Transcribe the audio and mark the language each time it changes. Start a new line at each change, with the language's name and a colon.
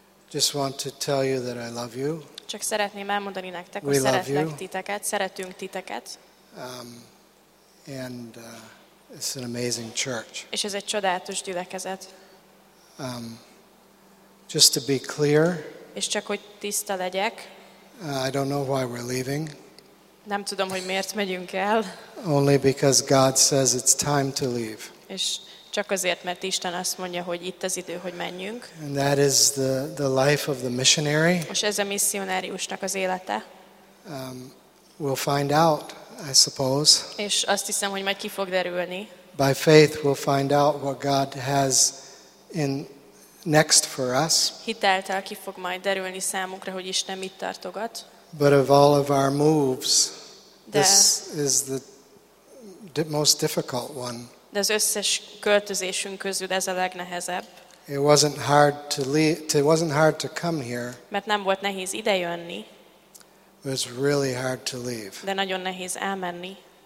English: Just want to tell you that I love you.
Hungarian: Csak szeretném elmondani nektek, hogy szeretlek titeket, szeretünk titeket.
English: It's an amazing church.
Hungarian: És ez egy csodálatos gyülekezet.
English: Just to be clear.
Hungarian: És csak hogy tiszta legyek.
English: I don't know why we're leaving.
Hungarian: Nem tudom, hogy miért megyünk el.
English: Only because God says it's time to leave.
Hungarian: És csak azért, mert Isten azt mondja, hogy itt az idő, hogy menjünk.
English: And that is the life of the missionary.
Hungarian: És ez a misszionáriusnak az élete.
English: We'll find out, I suppose.
Hungarian: És azt hiszem, hogy majd ki fog derülni.
English: By faith we'll find out what God has in next for us.
Hungarian: Hiteltel ki fog majd derülni számunkra, hogy Isten mit tartogat.
English: But of all of our moves, this is the most difficult one.
Hungarian: De az összes költözésünk közül ez a legnehezebb.
English: It wasn't hard to leave, it wasn't hard to come here.
Hungarian: Mert nem volt nehéz idejönni.
English: It was really hard to leave.
Hungarian: De nagyon nehéz elmenni.